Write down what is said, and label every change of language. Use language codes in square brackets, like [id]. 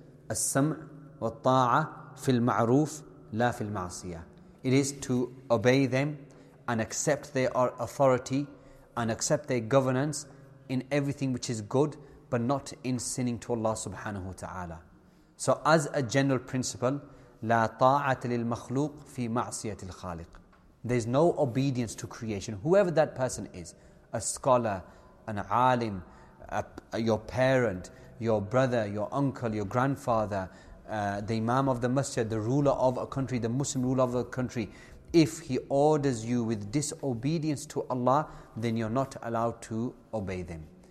[ar] As-sam' wa ta'a fil ma'roof la fil ma'asiyah. [en] It is to obey them and accept their authority and accept their governance in everything which is good, but not in sinning to Allah subhanahu wa ta'ala. So as a general principle, [ar] لا طاعة للمخلوق في معصية الخالق. [en] There's no obedience to creation. Whoever that person is, a scholar, an alim, your parent, your brother, your uncle, your grandfather, the imam of the masjid, the ruler of a country, the Muslim ruler of a country, if he orders you with disobedience to Allah, then you're not allowed to obey them.